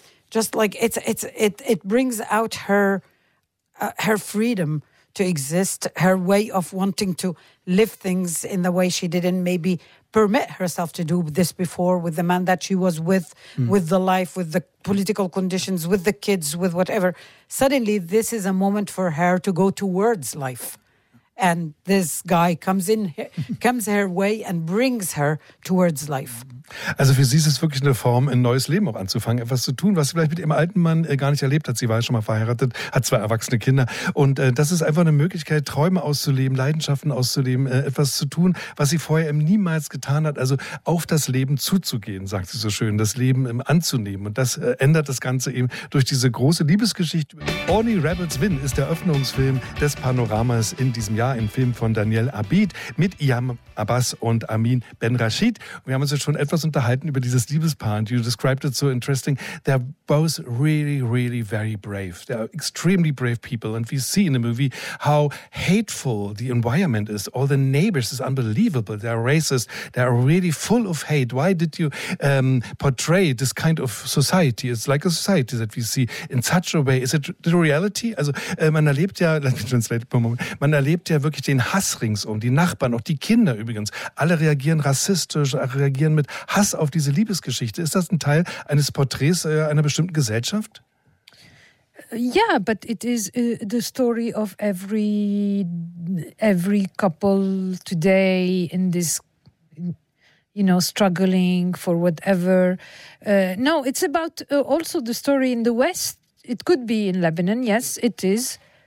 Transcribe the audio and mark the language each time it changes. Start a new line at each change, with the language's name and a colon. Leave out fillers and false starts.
English: just like it brings out her freedom to exist, her way of wanting to live things in the way she didn't maybe permit herself to do this before with the man that she was with, with the life, with the political conditions, with the kids, with whatever. Suddenly, this is a moment for her to go towards life. And this guy comes her way and brings her towards life.
German: Also für sie ist es wirklich eine Form, ein neues Leben auch anzufangen, etwas zu tun, was sie vielleicht mit ihrem alten Mann gar nicht erlebt hat. Sie war ja schon mal verheiratet, hat zwei erwachsene Kinder. Und das ist einfach eine Möglichkeit, Träume auszuleben, Leidenschaften auszuleben, etwas zu tun, was sie vorher eben niemals getan hat. Also auf das Leben zuzugehen, sagt sie so schön, das Leben anzunehmen. Und das ändert das Ganze eben durch diese große Liebesgeschichte. Only Rebels Win ist der Öffnungsfilm des Panoramas in diesem Jahr, im Film von Daniel Abid mit Iyam Abbas und Amin Ben Rashid. Und wir haben uns jetzt schon etwas unterhalten über dieses Liebespaar.
English: And you described it so interesting. They're both really, really very brave. They're extremely brave people. And we see in the movie how hateful the environment is. All the neighbors is unbelievable. They're racist. They're really full of hate. Why did you portray this kind of society? It's like a society that we see in such a way. Is it the reality?
German: Also man erlebt ja,
English: let me translate for a moment,
German: man erlebt ja wirklich den Hass ringsum. Die Nachbarn, auch die Kinder übrigens, alle reagieren rassistisch, reagieren mit Hass auf diese Liebesgeschichte. Ist das ein Teil eines Porträts einer bestimmten Gesellschaft?
English: Yeah, but it is the story of every couple today in this, you know, struggling for whatever. No, it's about also the story in the West. It could be in Lebanon. Yes, it is.